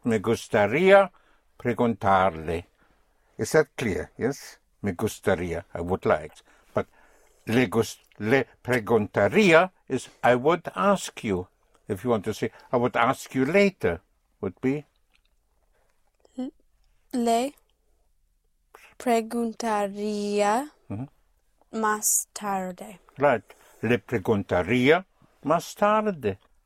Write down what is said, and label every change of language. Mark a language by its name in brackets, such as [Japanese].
[Spanish] Me gustaría preguntarle. [English] Is that clear? Yes? [Spanish] Me gustaría. [English] I would like. But [Spanish] le preguntaría [English] is I would ask you. If you want to say, I would ask you later, would be? [Spanish] Le preguntaría más tarde. [English] Right. [Spanish] Le preguntaría más tarde.